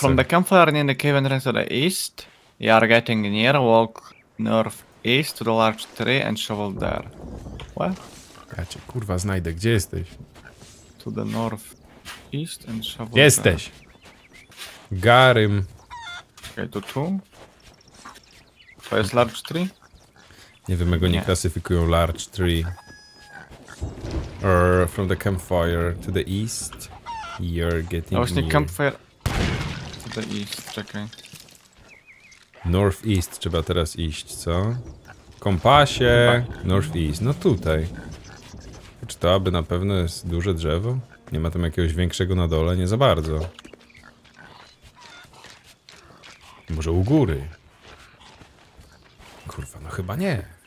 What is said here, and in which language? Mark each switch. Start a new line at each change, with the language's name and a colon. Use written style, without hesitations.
English: From the campfire near the cave entrance to the east, you are getting near, walk north. East to the large tree and shovel there. What?
Polish: Ja cię kurwa znajdę, gdzie jesteś?
English: To the north east and shovel
Polish: jesteś.
English: There. Garym.
Polish: Okej, to tu? To jest large tree? Nie wiem, jak oni klasyfikują large tree.
English: From the campfire to the east. You're getting
Polish: a właśnie
English: near. Campfire to the east,
Polish: czekaj. Northeast trzeba teraz iść, co? Kompasie, northeast, no tutaj. Czy to aby na pewno jest duże drzewo? Nie ma tam jakiegoś większego na dole? Nie za bardzo. Może u góry? Kurwa, no chyba nie.